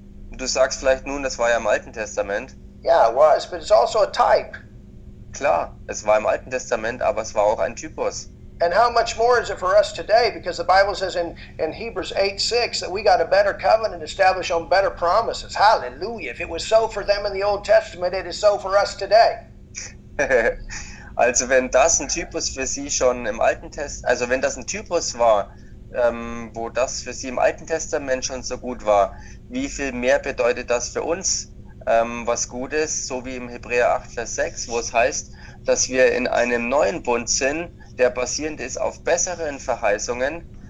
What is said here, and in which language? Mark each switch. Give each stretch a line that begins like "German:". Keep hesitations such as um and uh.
German: du sagst vielleicht nun, das war ja im Alten Testament.
English: Yeah, it aber
German: es ist auch ein Typ. Klar, es war im Alten Testament, aber es war auch ein Typus.
English: And how much more is it for us today? Because the Bible says in, in Hebrews 8, 6 that we got a better covenant established on better promises. Hallelujah. If it was so for them in the Old Testament, it is so for us today.
German: also wenn das ein Typus für sie schon im Alten Testament, also wenn das ein Typus war, ähm, wo das für sie im Alten Testament schon so gut war, wie viel mehr bedeutet das für uns um, was gut ist, so wie im Hebräer 8, Vers 6, wo es heißt, dass wir in einem neuen Bund sind, der basierend ist auf besseren Verheißungen.